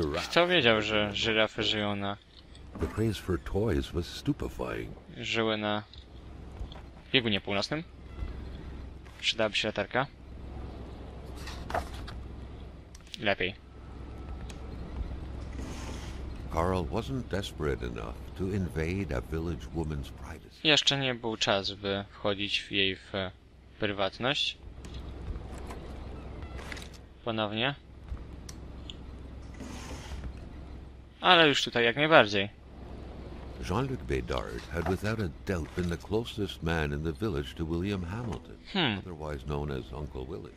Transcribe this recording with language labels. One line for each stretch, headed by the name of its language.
Polish: Kto wiedział, że żyrafy żyją na...
English: The craze for toys was stupefying.
Polish: Żyły na biegunie północnym. Przydałaby się latarka. Lepiej.
English: Carl wasn't desperate enough to invade a village woman's privacy.
Polish: Jeszcze nie był czas, by wchodzić w jej w prywatność. Ponownie. Ale już tutaj jak najbardziej.
English: Jean-Luc Bedard had without a doubt been the closest man in the village to William Hamilton, otherwise known as Uncle Willie.